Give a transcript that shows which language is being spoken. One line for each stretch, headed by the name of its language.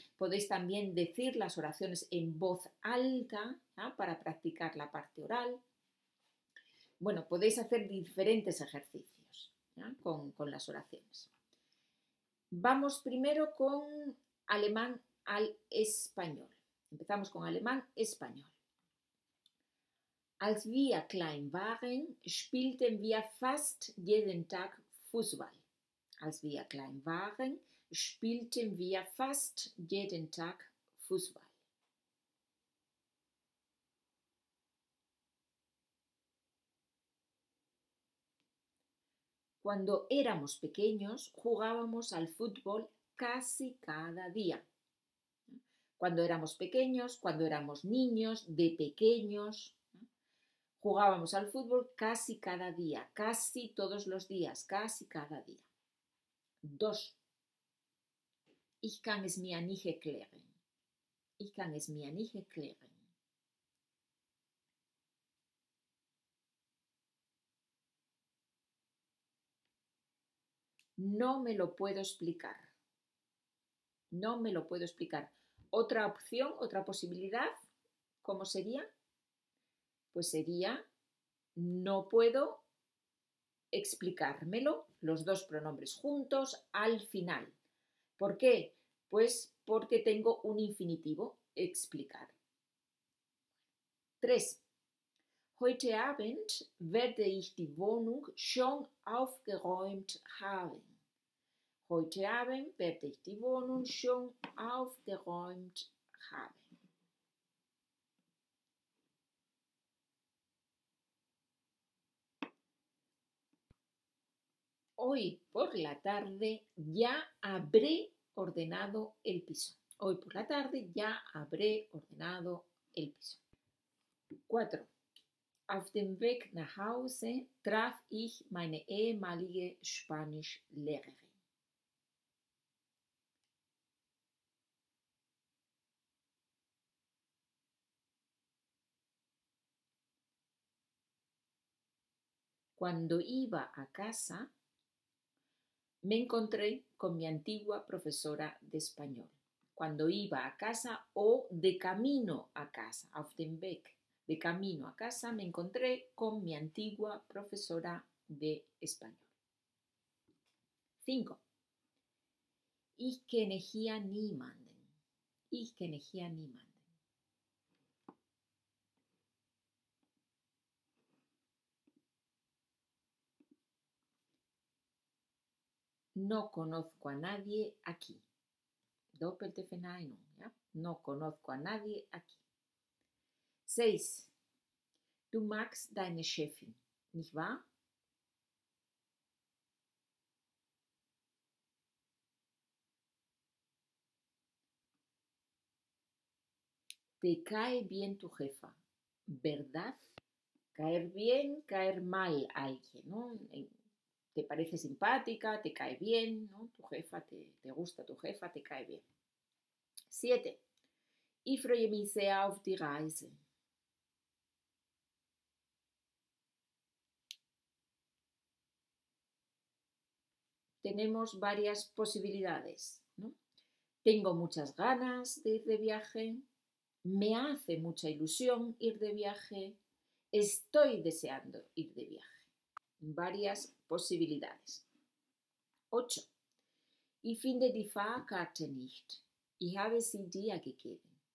Spanish: Podéis también decir las oraciones en voz alta, ¿no?, para practicar la parte oral. Bueno, podéis hacer diferentes ejercicios, ¿no?, con las oraciones. Vamos primero con alemán al español. Empezamos con alemán español.
German: Als wir klein waren, spielten wir fast jeden Tag Fußball. Als wir klein waren, spielten wir fast jeden Tag Fußball.
Spanish: Cuando éramos pequeños, jugábamos al fútbol casi cada día. Cuando éramos pequeños, cuando éramos niños, de pequeños, jugábamos al fútbol casi cada día, casi todos los días, casi cada día. Dos.
German: Ich kann es mir nicht erklären. Ich kann es mir nicht erklären.
Spanish: No me lo puedo explicar. No me lo puedo explicar. Otra opción, otra posibilidad, ¿cómo sería? Pues sería... No puedo explicármelo, los dos pronombres juntos, al final. ¿Por qué? Pues porque tengo un infinitivo, explicar. 3.
German: Heute Abend werde ich die Wohnung schon aufgeräumt haben. Heute Abend werde ich die Wohnung schon aufgeräumt haben.
Spanish: Hoy por la tarde ya habré ordenado el piso. Hoy por la tarde ya habré ordenado el piso. 4.
German: Auf dem Weg nach Hause traf ich meine ehemalige Spanischlehrerin.
Spanish: Cuando iba a casa, me encontré con mi antigua profesora de español. Cuando iba a casa o de camino a casa,
German: auf dem Weg,
Spanish: de camino a casa, me encontré con mi antigua profesora de español. 5.
German: Ich kenne hier niemanden. Ich kenne hier niemanden.
Spanish: No conozco a nadie aquí.
German: Doppelte Verneinung,
Spanish: ¿ya? No conozco a nadie aquí. 6.
German: Du magst deine Chefin, nicht wahr?
Spanish: Te cae bien tu jefa, ¿verdad? Caer bien, caer mal a alguien, ¿no? Te parece simpática, te cae bien, ¿no? Tu jefa, te gusta tu jefa, te cae bien. 7.
German: Ich freue mich sehr auf die Reise.
Spanish: Tenemos varias posibilidades, ¿no? Tengo muchas ganas de ir de viaje. Me hace mucha ilusión ir de viaje. Estoy deseando ir de viaje. Varias posibilidades. 8.
German: Ich finde die Fahrkarte nicht. Ich habe sie dir gegeben.